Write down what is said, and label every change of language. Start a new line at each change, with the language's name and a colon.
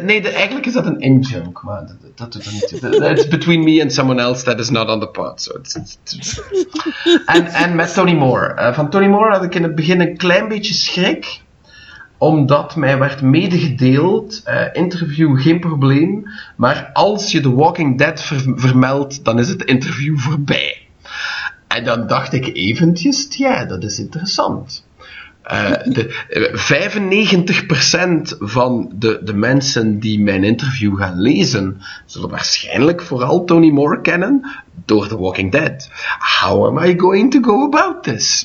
Dutch: eigenlijk is dat een in-joke, maar dat doet er niet toe.
English: It's between me and someone else that is not on the pod.
Dutch: So en met Tony Moore. Van Tony Moore had ik in het begin een klein beetje schrik, omdat mij werd medegedeeld, interview geen probleem, maar als je The Walking Dead vermeldt, dan is het interview voorbij. En dan dacht ik eventjes, ja, dat is interessant. 95% van de mensen die mijn interview gaan lezen, zullen waarschijnlijk vooral Tony Moore kennen door The Walking Dead.
English: How am I going to go about this?